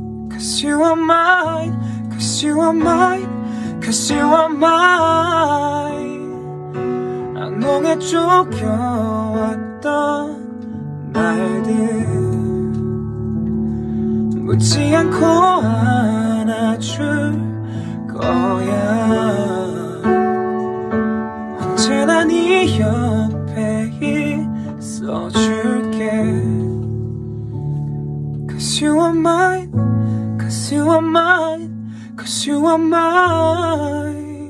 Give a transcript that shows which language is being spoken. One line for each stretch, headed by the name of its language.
English: Cause you are mine, cause you are mine, cause you are mine.
Korean: 악몽에 쫓겨왔던 날들 묻지 않고 안아줄 거야. 언제나 네 옆에 있어줄게.
English: Cause you are mine, cause you are mine, cause you are mine.